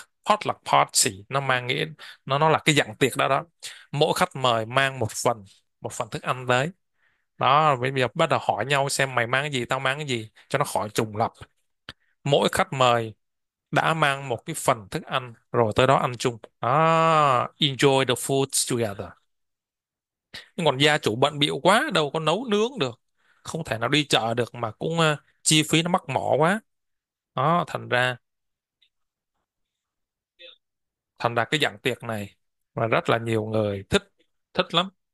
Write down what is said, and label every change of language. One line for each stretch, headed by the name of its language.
Vietnamese: Potluck party, nó mang nghĩa nó là cái dạng tiệc đó đó, mỗi khách mời mang một phần thức ăn tới. Đó, bây giờ bắt đầu hỏi nhau xem mày mang cái gì, tao mang cái gì, cho nó khỏi trùng lặp. Mỗi khách mời đã mang một cái phần thức ăn rồi tới đó ăn chung.
English: Đó, enjoy the food together.
Vietnamese: Nhưng còn gia chủ bận bịu quá, đâu có nấu nướng được, không thể nào đi chợ được, mà cũng chi phí nó mắc mỏ quá. Đó, thành ra cái dạng tiệc này mà rất là nhiều người thích thích lắm.